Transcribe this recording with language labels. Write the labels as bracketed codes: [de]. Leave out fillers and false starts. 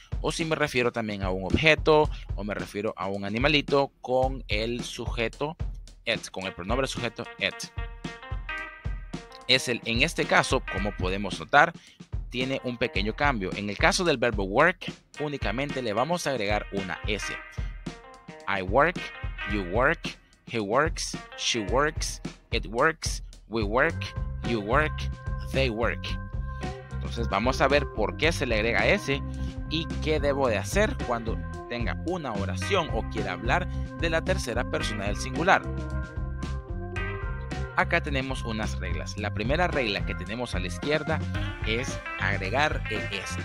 [es] O si me refiero también a un objeto o me refiero a un animalito con el sujeto it, con el pronombre sujeto it. En este caso, como podemos notar, tiene un pequeño cambio. En el caso del verbo work, únicamente le vamos a agregar una S. [en] I work, you work, he works, she works, it works, we work, you work, they work. [es] Entonces vamos a ver por qué se le agrega S. ¿Y qué debo de hacer cuando tenga una oración o quiera hablar de la tercera persona del singular? Acá tenemos unas reglas. La primera regla que tenemos a la izquierda es agregar ES.